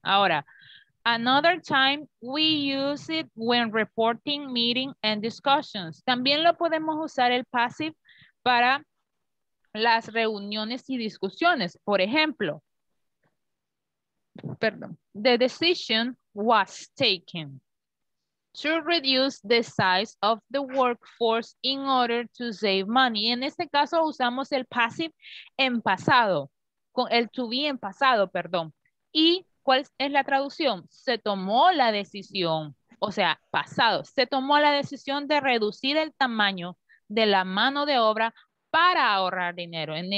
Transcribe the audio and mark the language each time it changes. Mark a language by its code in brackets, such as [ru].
[en] Ahora, another time we use it when reporting meeting and discussions. [es] También lo podemos usar el passive para las reuniones y discusiones. [en] Por ejemplo, the decision was taken to reduce the size of the workforce in order to save money. [es] En este caso usamos el passive en pasado, con el to be en pasado, perdón. ¿Y cuál es la traducción? Se tomó la decisión, o sea, pasado. Se tomó la decisión de reducir el tamaño de la mano de obra para ahorrar dinero.